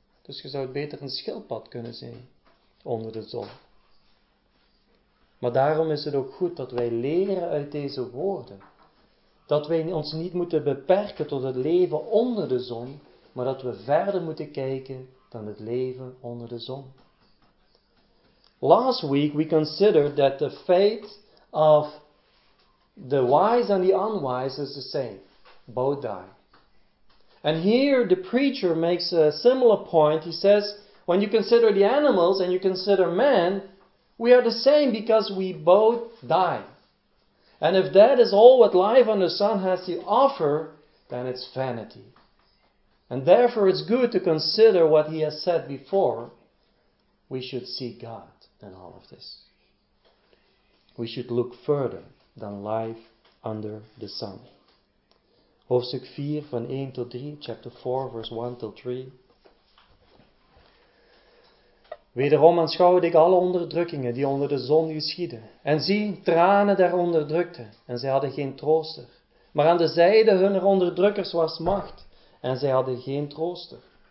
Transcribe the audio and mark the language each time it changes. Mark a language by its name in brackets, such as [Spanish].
[Dutch] Dus je zou beter een schildpad kunnen zijn onder de zon. Maar daarom is het ook goed dat wij leren uit deze woorden. Dat wij ons niet moeten beperken tot het leven onder de zon, maar dat we verder moeten kijken dan het leven onder de zon. [English] Last week we considered that the fate of the wise and the unwise is the same. Both die. And here the preacher makes a similar point. He says, when you consider the animals and you consider man, we are the same because we both die. And if that is all what life under the sun has to offer, then it's vanity. And therefore it's good to consider what he has said before. We should seek God in all of this. We should look further than life under the sun. [Dutch] Hoofdstuk 4 van 1 tot 3, [English] chapter 4, verse 1 to 3. [Dutch] Wederom aanschouwde ik alle onderdrukkingen die onder de zon geschieden. En zie, tranen der onderdrukte, en zij hadden geen trooster. Maar aan de zijde hunner onderdrukkers was macht, en zij hadden geen trooster.